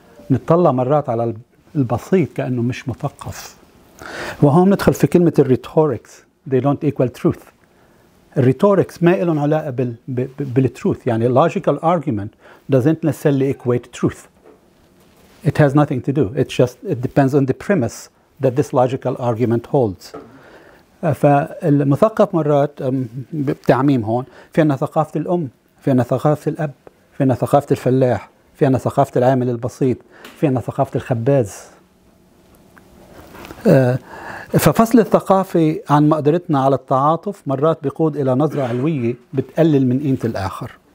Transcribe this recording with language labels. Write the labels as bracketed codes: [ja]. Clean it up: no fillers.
[ar] نتطلع مرات على البسيط كأنه مش مثقف. وهون ندخل في كلمة الريتوريكس، [en] they don't equal truth. [ar] الريتوريكس ما إلهم علاقة بالتروث، يعني [en] logical argument doesn't necessarily equate truth. It has nothing to do. It's just, it depends on the premise that this logical argument holds. [ar] فالمثقف مرات بتعميم هون، في أنا ثقافة الأم، في أنا ثقافة الأب، في أنا ثقافة الفلاح، في أنا ثقافة العامل البسيط، في أنا ثقافة الخباز. ففصل الثقافة عن مقدرتنا على التعاطف مرات بيقود إلى نظرة علوية بتقلل من قيمة الآخر.